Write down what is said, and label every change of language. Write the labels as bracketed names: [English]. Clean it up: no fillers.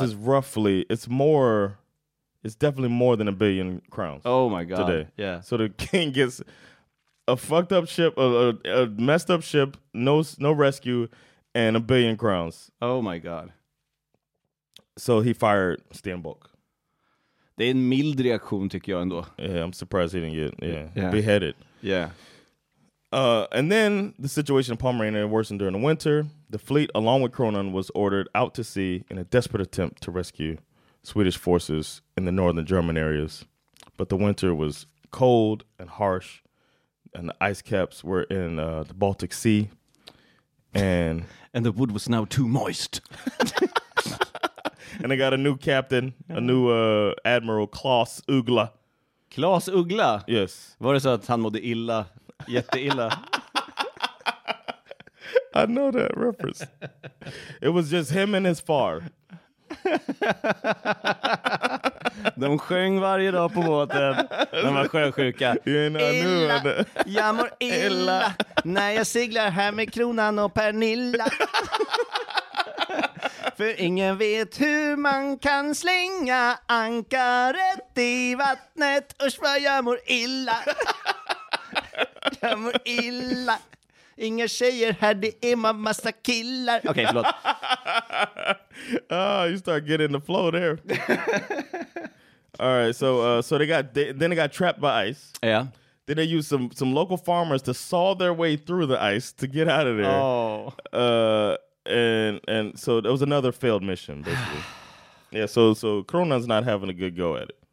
[English] This is roughly, it's more, it's definitely more than 1 billion crowns. Oh my God. Today. Yeah. So the king gets a fucked up ship, a messed up ship, no rescue, and 1 billion crowns. Oh my God. So he fired Stenbock. [Swedish] Det är en mild reaktion tycker jag ändå. [English] Yeah, I'm surprised he didn't get beheaded. Yeah. And then the situation in Pomerania worsened during the winter. The fleet, along with Cronin, was ordered out to sea in a desperate attempt to rescue Swedish forces in the northern German areas. But the winter was cold and harsh, and the ice caps were in the Baltic Sea. And and the wood was now too moist. And they got a new captain, a new admiral, Klaus Uggla. Klaus Uggla? Yes. [Swedish] Var det så att han mådde illa? Jätteilla? [English] I know that reference. It was just him and his far. [Swedish] De sjöng varje dag på båten. De var sjösjuka. Illa, jag mår illa när jag seglar här med Kronan och Pernilla. För ingen vet hur man kan slänga ankaret i vattnet. Usch vad jag mår illa. Jag mår illa. Inga tjejer här, det är man massa killar. Okej, okay, förlåt. [English] Oh, you start getting the flow there. All right, so they got trapped by ice. Yeah. Then they used some local farmers to saw their way through the ice to get out of there. Oh. And so it was another failed mission, basically. Yeah, so Corona's not having a good go at it.